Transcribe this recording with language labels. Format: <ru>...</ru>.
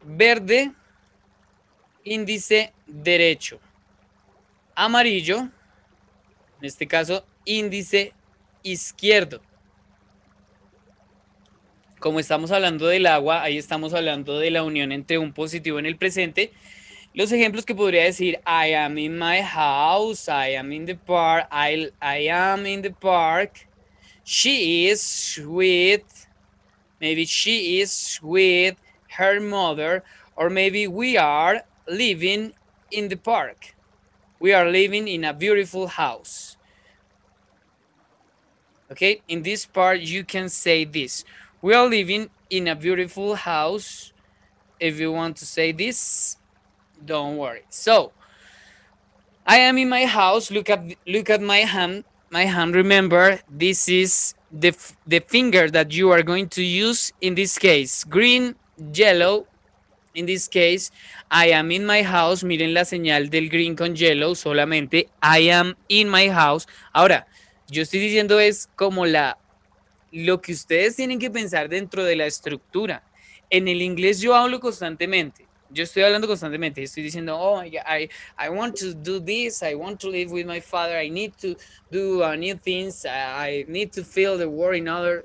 <es>Verde, índice derecho. Amarillo, en este caso, índice izquierdo. Como estamos hablando del agua, ahí estamos hablando de la unión entre un positivo en el presente. Los ejemplos que podría decir,</es> <en>I am in my house, I am in the park, I am in the park, she is sweet, maybe she is with her mother, or maybe we are living in the park, we are living in a beautiful house. Okay, in this part you can say this, we are living in a beautiful house, if you want to say this. Don't worry. So, I am in my house. Look at my hand. My hand, remember, this is the finger that you are going to use in this case. Green, yellow. In this case, I am in my house.</en> <es>Miren la señal del green con yellow. Solamente,</es> <en>I am in my house.</en> <es>Ahora, yo estoy diciendo es como lo que ustedes tienen que pensar dentro de la estructura. En el inglés yo hablo constantemente. Yo estoy hablando constantemente, estoy diciendo,</es> <en>oh, I want to do this, I want to live with my father, I need to do new things, I need to feel the world in other.</en>